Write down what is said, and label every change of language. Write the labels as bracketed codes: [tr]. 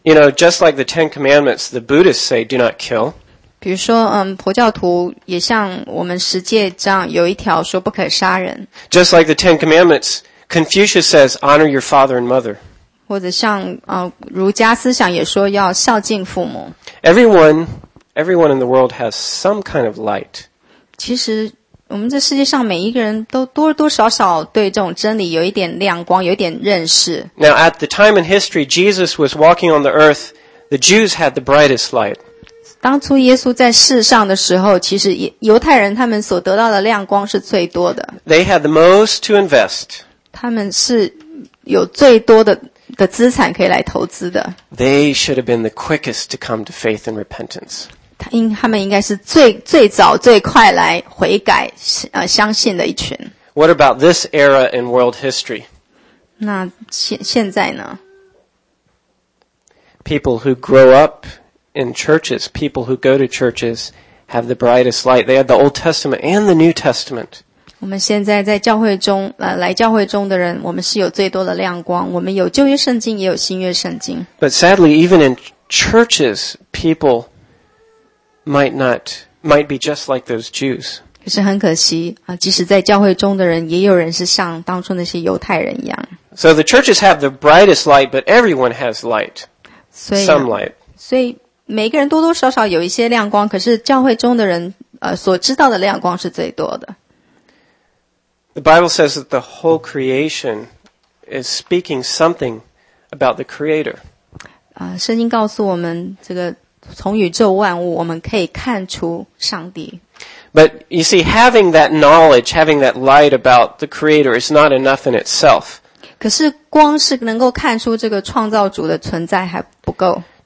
[en] You know, just like the Ten Commandments, the Buddhists say, "Do not kill." [zh] 比如说，佛教徒也像我们十诫这样，有一条说不可杀人。 [en] Just like the Ten Commandments, Confucius says, "Honor your father and mother." [zh] 或者像儒家思想也说要孝敬父母。 [en] Everyone in the world has some kind of light. [zh] 其实。我们这世界上每一个人都多多少少对这种真理有一点亮光，有一点认识。 [en] Now, at the time in history, Jesus was walking on the earth, the Jews had the brightest light. [zh] 当初耶稣在世上的时候，其实犹太人他们所得到的亮光是最多的。 [en] They had the most to invest. [zh] 他们是有最多 的资产可以来投资的。 [en] They should have been the quickest to come to faith and repentance. [zh] 他们应该是 最早最快来悔改相信的一群。 [en] What about this era in world history? [zh] 那 现在呢？ [en] People who grow up in churches, people who go to churches have the brightest light. They have the Old Testament and the New Testament. [zh] 我们现在在教会中来教会中的人，我们是有最多的亮光，我们有旧约圣经也有新约圣经。 [en] But sadly, even in churches, peopleMight be just like those Jews. [zh] 可是很可惜啊，即使在教会中的人，也有人是像当初那些犹太人一样。 [en] So the churches have the brightest light, but everyone has light. Some light. [zh] 所以每个人多多少少有一些亮光，可是教会中的人所知道的亮光是最多的。 [en] The Bible says that the whole creation is speaking something about the Creator. [zh] 圣经告诉我们这个。从宇宙万物，我们可以看出上帝。 [en] But you see, having that knowledge, having that light about the Creator is not enough in itself. [zh] 可是光是能够看出这个创造主的存在还不够。